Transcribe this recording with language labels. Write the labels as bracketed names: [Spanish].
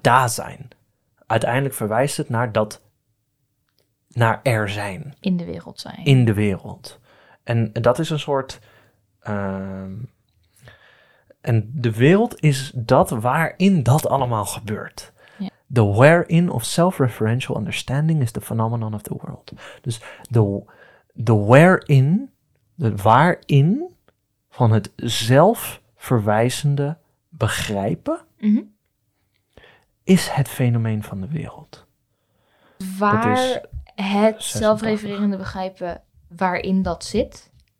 [Dutch] da-zijn. Uiteindelijk verwijst het naar dat, naar er zijn. In de wereld zijn. In de wereld. En dat is een soort. En de wereld is dat waarin dat allemaal gebeurt. [English] The wherein of self-referential understanding is the phenomenon of the world. [Dutch] Dus de wherein, de waarin van het zelfverwijzende begrijpen, is het fenomeen van de wereld. Waar het zelfrefererende begrijpen waarin dat zit,